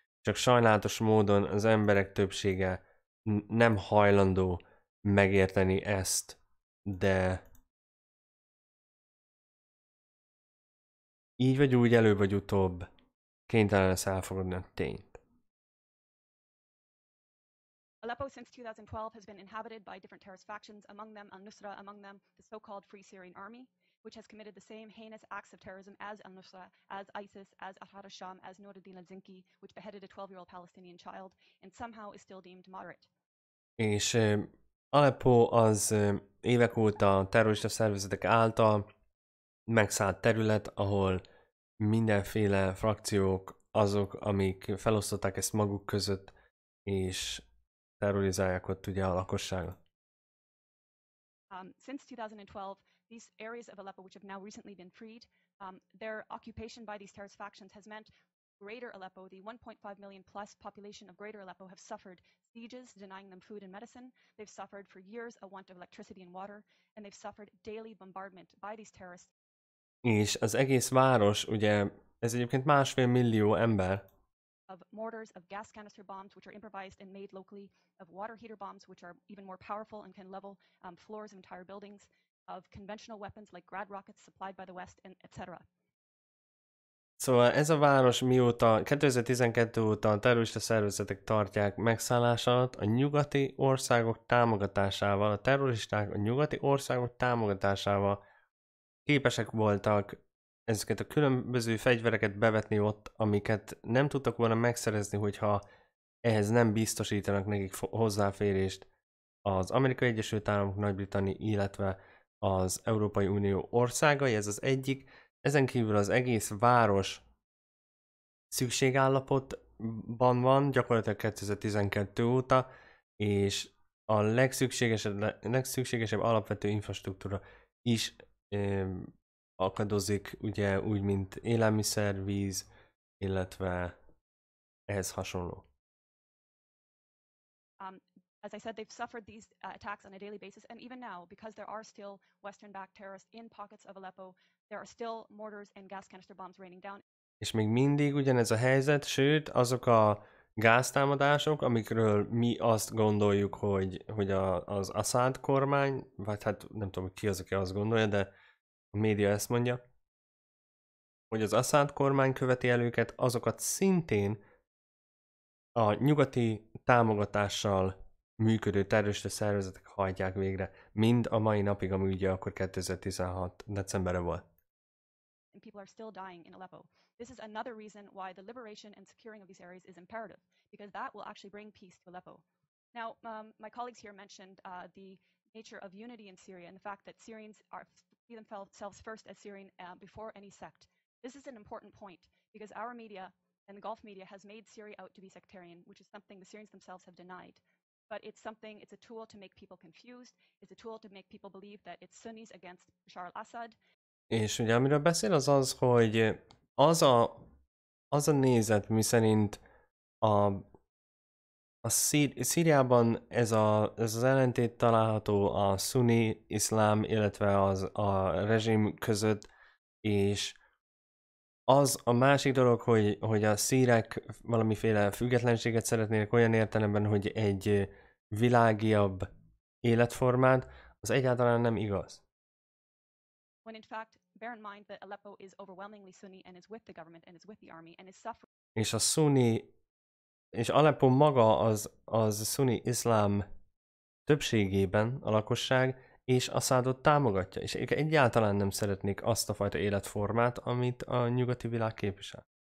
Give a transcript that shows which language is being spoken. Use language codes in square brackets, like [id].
[hu] Csak sajnálatos módon az emberek többsége nem hajlandó megérteni ezt, de így vagy úgy, előbb vagy utóbb kénytelen lesz elfogadni a tényt. [en] Aleppo since 2012 has been inhabited by different terrorist factions, among them al-Nusra, among them the so-called Free Syrian Army, which has committed the same heinous acts of terrorism as al-Nusra, as ISIS, as Ahrar al-Sham, as Nur al-Din al-Zinki, which beheaded a 12-year-old Palestinian child, and somehow is still deemed moderate. [hu] És Aleppo az évek óta terrorista szervezetek által megszállt terület, ahol mindenféle frakciók azok, amik felosztották ezt maguk között, és terrorizálják ott ugye a lakosságot. [en] Since 2012, these areas of Aleppo, which have now recently been freed, their occupation by these terrorist factions has meant Greater Aleppo, the 1.5 million plus population of Greater Aleppo, have suffered sieges, denying them food and medicine. They've suffered for years a want of electricity and water, and they've suffered daily bombardment by these terrorists. [hu] És az egész város, ugye, ez egyébként 1,5 millió ember, [en] of mortars, of gas canister bombs, which are improvised and made locally, of water heater bombs, which are even more powerful and can level floors of entire buildings, of conventional weapons like Grad rockets supplied by the West, and etc. [hu] Szóval ez a város mióta, 2012 óta a terrorista szervezetek tartják megszállás alatt, a nyugati országok támogatásával, a terroristák a nyugati országok támogatásával képesek voltak ezeket a különböző fegyvereket bevetni ott, amiket nem tudtak volna megszerezni, hogyha ehhez nem biztosítanak nekik hozzáférést az Amerikai Egyesült Államok, Nagy-Britannia, illetve az Európai Unió országai, ez az egyik. Ezen kívül az egész város szükségállapotban van, gyakorlatilag 2012 óta, és a legszükségesebb alapvető infrastruktúra is akadozik, ugye úgy, mint élelmiszer, víz, illetve ehhez hasonló. [en] As I said, they've suffered these attacks on a daily basis, and even now, because there are still Western-backed terrorists in pockets of Aleppo, there are still mortars and gas canister bombs raining down. [hu] És még mindig ugyanez a helyzet, sőt, azok a gáztámadások, amikről mi azt gondoljuk, hogy az Assad kormány, vagy hát nem tudom, ki az, aki azt gondolja, de a média ezt mondja, hogy az Assad kormány követi el őket, azokat szintén a nyugati támogatással működő terrorista szervezetek hajtják végre, mind a mai napig, ami ugye akkor 2016 decemberre volt. [en] And people are still dying in Aleppo. This is another reason why the liberation and securing of these areas is imperative, because that will actually bring peace to Aleppo. Now, my colleagues here mentioned the nature of unity in Syria and the fact that Syrians see themselves first as Syrian before any sect. This is an important point, because our media and the Gulf media has made Syria out to be sectarian, which is something the Syrians themselves have denied. But it's a tool to make people confused, it's a tool to make people believe that it's Sunnis against Bashar al-Assad. [hu] És ugye amiről beszél az, hogy az a nézet, miszerint a Szíriában ez az ellentét található a szunni iszlám, illetve a rezsim között, és az a másik dolog, hogy a szírek valamiféle függetlenséget szeretnének olyan értelemben, hogy egy világiabb életformát, az egyáltalán nem igaz. [en] When in fact, bear in mind that Aleppo is overwhelmingly Sunni and is with the government and is with the army and is suffering. [hu] És a Sunni, és Aleppo maga az Sunni iszlám többségében a lakosság, és Assadot támogatja, és egyáltalán nem szeretnék azt a fajta életformát, amit a nyugati világ képvisel.